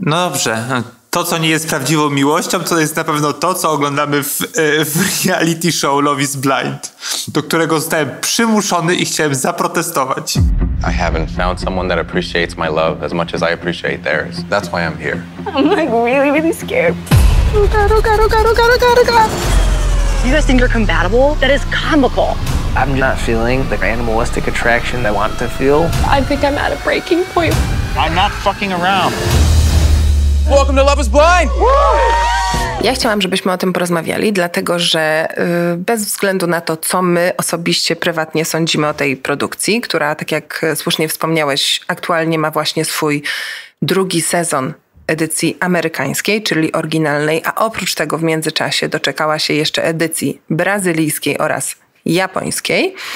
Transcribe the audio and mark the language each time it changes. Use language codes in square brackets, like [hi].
[pl] No dobrze, to, co nie jest prawdziwą miłością, to jest na pewno to, co oglądamy w reality show Love is Blind, do którego zostałem przymuszony i chciałem zaprotestować. [en] I haven't found someone that appreciates my love as much as I appreciate theirs. That's why I'm here. I'm like really, really scared. Go. You guys think you're compatible? That is comical. I'm not feeling the animalistic attraction that I want to feel. I think I'm at a breaking point. I'm not fucking around. Welcome to Love is Blind! [pl] Ja chciałam, żebyśmy o tym porozmawiali, dlatego że bez względu na to, co my osobiście, prywatnie sądzimy o tej produkcji, która, tak jak słusznie wspomniałeś, aktualnie ma właśnie swój drugi sezon edycji amerykańskiej, czyli oryginalnej, a oprócz tego w międzyczasie doczekała się jeszcze edycji brazylijskiej oraz japońskiej,